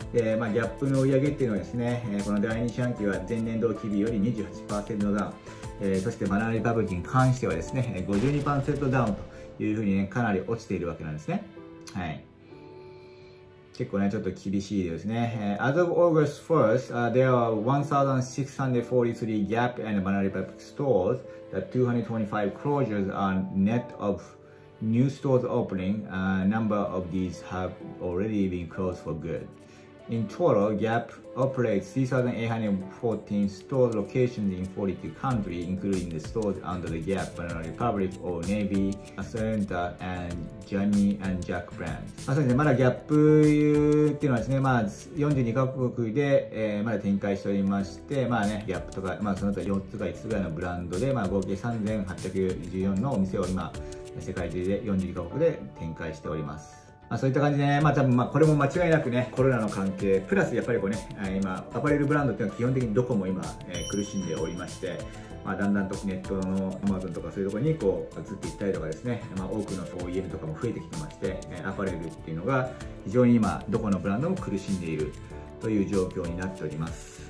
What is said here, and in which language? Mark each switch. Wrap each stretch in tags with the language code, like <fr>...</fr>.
<ja>で、ギャップの売上っていうのはですね、この第2四半期は前年同期比より 28% ダウン、そしてバナナリパブリックに関してはですね、52% ダウンというふうにね、かなり落ちているわけなんですね。はい、結構ね、ちょっと厳しいですね。</ja> <en>As of August 1st, there are 1,643 Gap and Banana Republic stores. The 225 closures are net of new stores opening. A number of these have already been closed for good. In total, Gap operates 3,814 store locations in 42 countries, including the stores under the Gap, Banana Republic, Old Navy, Ascenta, and Johnny and Jack brands.</en> <ja>そうですね、まだ Gap っていうのはですね、42カ国で、まだ展開しておりまして、Gap とか、その他4つか5つぐらいのブランドで、合計3,814のお店を今、世界中で42カ国で展開しております。まあ、そういった感じでね、まあ多分まあこれも間違いなくね、コロナの関係、プラスやっぱりこうね、今、アパレルブランドっていうのは基本的にどこも今、苦しんでおりまして、まあだんだんとネットの Amazon とかそういうところにこう移っていったりとかですね、まあ多くの OEM とかも増えてきてまして、アパレルっていうのが非常に今、どこのブランドも苦しんでいるという状況になっております。</ja>